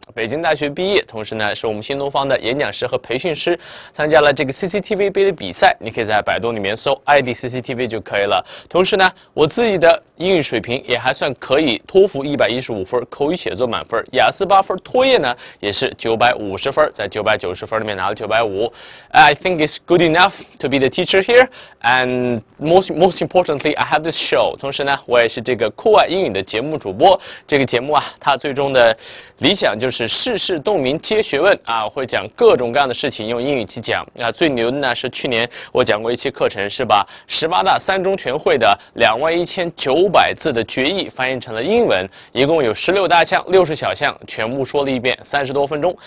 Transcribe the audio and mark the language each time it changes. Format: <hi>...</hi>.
<zh>北京大学毕业，同时呢，是我们新东方的演讲师和培训师，参加了这个 CCTV 杯的比赛。你可以在百度里面搜 ID CCTV 就可以了。同时呢，我自己的英语水平也还算可以，托福115分，口语写作满分，雅思8分，托业呢也是950分，在990分里面拿了950。</zh> <en>I think it's good enough to be the teacher here, and most importantly, I have this show.</en> <zh>同时呢，我也是这个酷爱英语的节目主播。这个节目啊，它最终的理想就是世事洞明皆学问啊，会讲各种各样的事情，用英语去讲。那、最牛的呢是去年。我讲过一期课程，是把18大三中全会的21900字的决议翻译成了英文，一共有16大项、60小项，全部说了一遍，30多分钟。</zh>